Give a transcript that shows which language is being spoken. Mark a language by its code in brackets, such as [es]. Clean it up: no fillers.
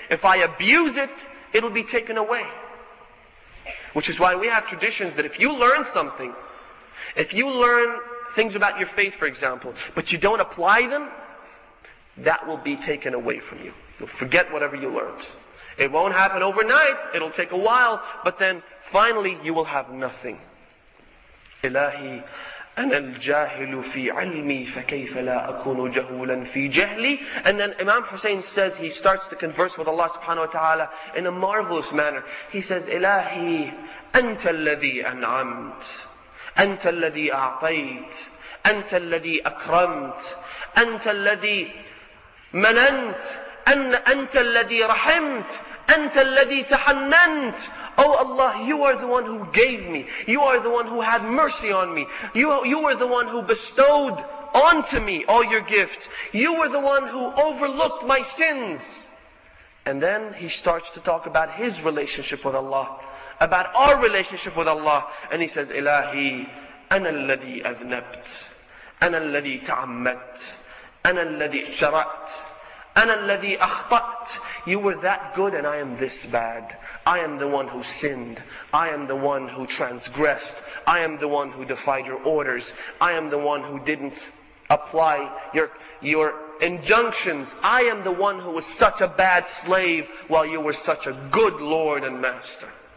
[en] If I abuse it, it will be taken away. Which is why we have traditions that if you learn something, if you learn things about your faith, for example, but you don't apply them, that will be taken away from you. You'll forget whatever you learned. It won't happen overnight. It'll take a while. But then finally, you will have nothing. [ar] إِلَهِ أنا الجاهل في علمي فكيف لا أكون جهولا في جهلي. [en] And then Imam Hussein says, he starts to converse with Allah subhanahu wa ta'ala in a marvelous manner. He says, [ar] إلهي أنت الذي أنعمت أنت الذي أعطيت أنت الذي أكرمت أنت الذي مننت أنت الذي رحمت أنت الذي تحننت. [en] Oh Allah, you are the one who gave me. You are the one who had mercy on me. You were the one who bestowed onto me all your gifts. You were the one who overlooked my sins. And then he starts to talk about his relationship with Allah, about our relationship with Allah. And he says, إِلَهِ [ar] أنا الذي أذنبت، أنا الذي تعمدت، أنا الذي اشترأت، أنا الذي أخطأت. [en] You were that good and I am this bad. I am the one who sinned. I am the one who transgressed. I am the one who defied your orders. I am the one who didn't apply your injunctions. I am the one who was such a bad slave while you were such a good Lord and Master.